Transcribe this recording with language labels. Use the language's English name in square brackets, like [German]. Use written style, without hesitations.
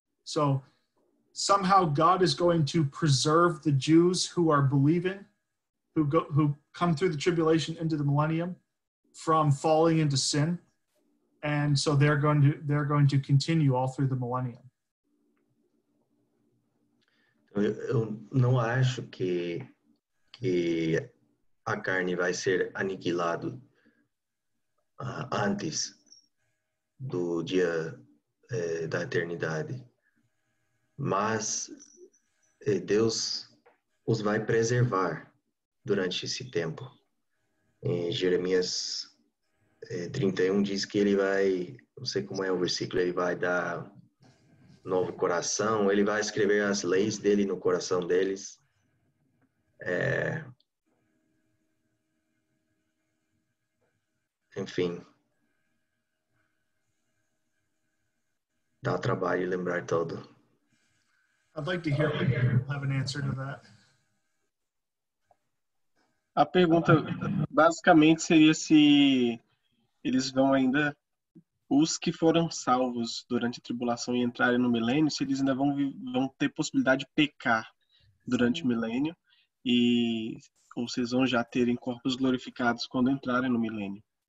[English] So somehow God is going to preserve the Jews who are believing, who come through the tribulation into the millennium, from falling into sin. And so they're going to continue all through the millennium. [Portuguese] Eu não acho que a carne vai ser aniquilada antes do dia da eternidade, mas Deus os vai preservar durante esse tempo. Em Jeremias 31 diz que ele vai, não sei como é o versículo, ele vai dar... novo coração, ele vai escrever as leis dele no coração deles. Enfim. Dá trabalho lembrar tudo. [English] I'd like to hear if you have an answer to that. [Portuguese] A pergunta basicamente seria se eles vão ainda... os que foram salvos durante a tribulação e entrarem no milênio, se eles ainda vão ter possibilidade de pecar durante o milênio, e ou se eles vão já terem corpos glorificados quando entrarem no milênio?